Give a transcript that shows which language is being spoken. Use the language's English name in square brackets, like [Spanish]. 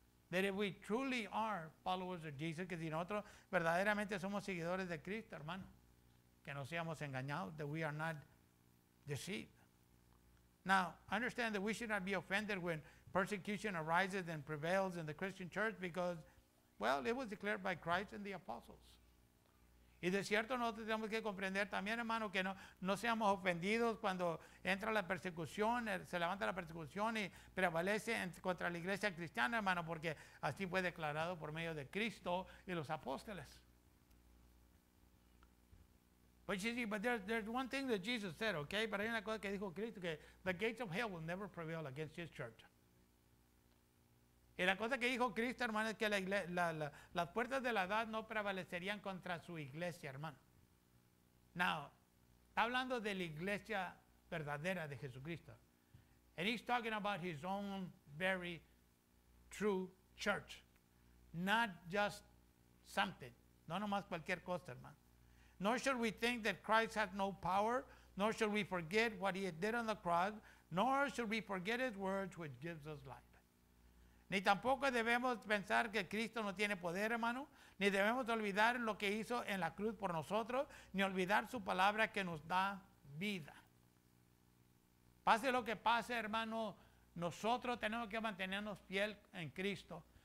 [English] That if we truly are followers of Jesus, [Spanish] que si nosotros verdaderamente somos seguidores de Cristo, hermano, que no seamos engañados, [English] that we are not deceived. Now, understand that we should not be offended when persecution arises and prevails in the Christian church because, well, it was declared by Christ and the apostles. [Spanish] Y de cierto, nosotros tenemos que comprender también, hermano, que no seamos ofendidos cuando entra la persecución, se levanta la persecución y prevalece contra la iglesia cristiana, hermano, porque así fue declarado por medio de Cristo y los apóstoles. [English] But you see, but there's one thing that Jesus said, okay? [Spanish] Pero hay una cosa que dijo Cristo, que [English] the gates of hell will never prevail against his church. [Spanish] Y la cosa que dijo Cristo, hermano, es que las puertas de la edad no prevalecerían contra su iglesia, hermano. Now, está hablando de la iglesia verdadera de Jesucristo. [English] And he's talking about his own very true church. Not just something. [Spanish] No nomás cualquier cosa, hermano. [English] Nor should we think that Christ had no power, nor should we forget what he did on the cross, nor should we forget his words which gives us life. [Spanish] Ni tampoco debemos pensar que Cristo no tiene poder, hermano, ni debemos olvidar lo que hizo en la cruz por nosotros, ni olvidar su palabra que nos da vida. Pase lo que pase, hermano, nosotros tenemos que mantenernos fiel en Cristo.